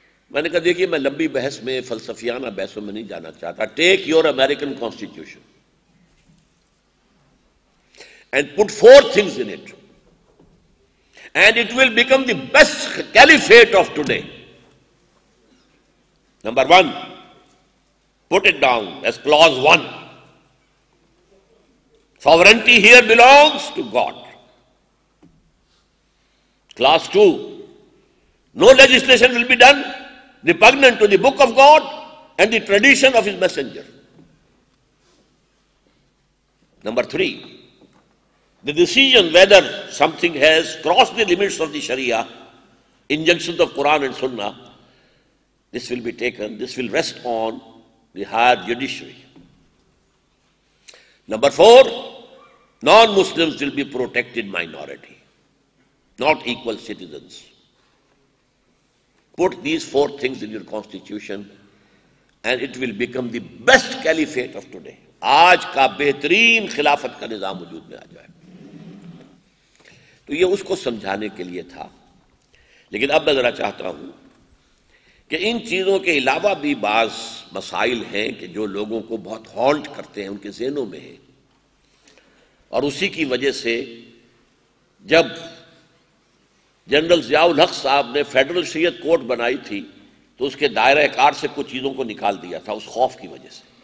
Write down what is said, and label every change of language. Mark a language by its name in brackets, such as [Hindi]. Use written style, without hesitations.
[Urdu] میں نے کہا دیکھیے, میں لمبی بحث میں فلسفیانہ بحثوں میں نہیں جانا چاہتا, [English] Take your American constitution and put four things in it and it will become the best caliphate of today. Number one, put it down as clause one, Sovereignty here belongs to God. Class 2, no legislation will be done repugnant to the book of God and the tradition of his messenger. Number 3, the decision whether something has crossed the limits of the Sharia, injunctions of Quran and Sunnah, this will be taken, this will rest on the higher judiciary. Number 4, non-Muslims will be protected minority, not equal citizens. Put these four things in your constitution and it will become the best caliphate of today. [Urdu] آج کا بہترین خلافت کا نظام وجود میں آ جائے. تو یہ اس کو سمجھانے کے لیے تھا, لیکن اب میں ذرا چاہتا ہوں کہ ان چیزوں کے علاوہ بھی بعض مسائل ہیں کہ جو لوگوں کو بہت ہالٹ کرتے ہیں ان کے ذہنوں میں ہیں, اور اسی کی وجہ سے جب جنرل ضیاء الحق صاحب نے فیڈرل شریعت کورٹ بنائی تھی تو اس کے دائرہ کار سے کچھ چیزوں کو نکال دیا تھا اس خوف کی وجہ سے.